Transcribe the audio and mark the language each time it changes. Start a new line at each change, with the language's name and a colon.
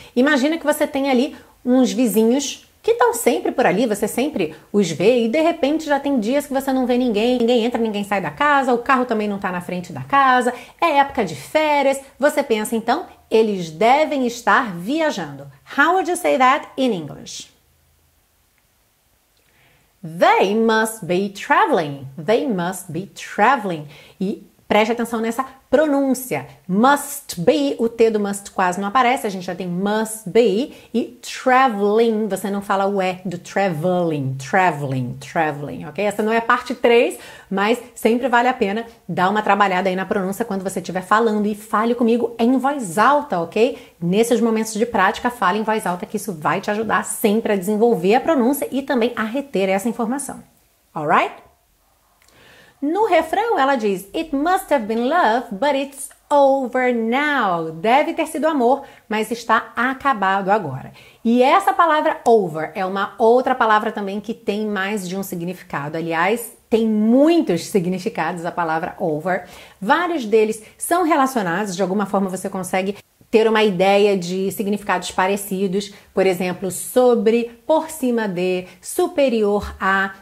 Portuguese: Imagina que você tem ali uns vizinhos que estão sempre por ali, você sempre os vê e de repente já tem dias que você não vê ninguém, ninguém entra, ninguém sai da casa, o carro também não está na frente da casa, é época de férias, você pensa então, eles devem estar viajando.
English: How would you say that in English? They must be traveling. They must be traveling.
Portuguese: E preste atenção nessa pronúncia. Must be, o T do must quase não aparece, a gente já tem must be. E traveling, você não fala o E do traveling, traveling, traveling, ok? Essa não é a parte 3, mas sempre vale a pena dar uma trabalhada aí na pronúncia quando você estiver falando e fale comigo em voz alta, ok? Nesses momentos de prática, fale em voz alta que isso vai te ajudar sempre a desenvolver a pronúncia e também a reter essa informação,
English: alright?
Portuguese: No refrão, ela diz,
English: it must have been love, but it's over now.
Portuguese: Deve ter sido amor, mas está acabado agora. E essa palavra over é uma outra palavra também que tem mais de um significado. Aliás, tem muitos significados a palavra over. Vários deles são relacionados, de alguma forma você consegue ter uma ideia de significados parecidos, por exemplo, sobre, por cima de, superior a.